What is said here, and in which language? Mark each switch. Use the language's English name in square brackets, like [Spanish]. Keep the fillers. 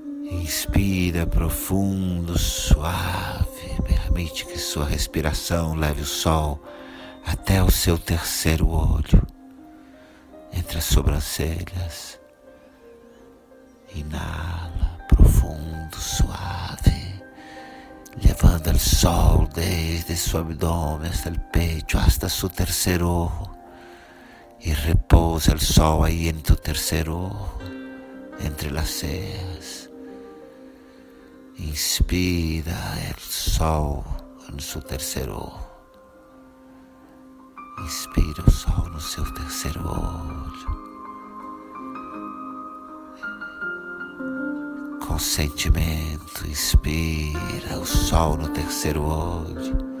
[Portuguese] Inspira profundo, suave, mergulha Permite que sua respiração leve o sol até o seu terceiro olho, entre as sobrancelhas. [Spanish] Inala profundo, suave, llevando el sol desde su abdomen hasta el pecho, hasta su tercer ojo. Y reposa el sol ahí en tu tercer ojo, entre las cejas. Inspira el sol en su tercer ojo. [Portuguese] Inspira o sol no seu terceiro olho. Com sentimento, inspira o sol no terceiro olho.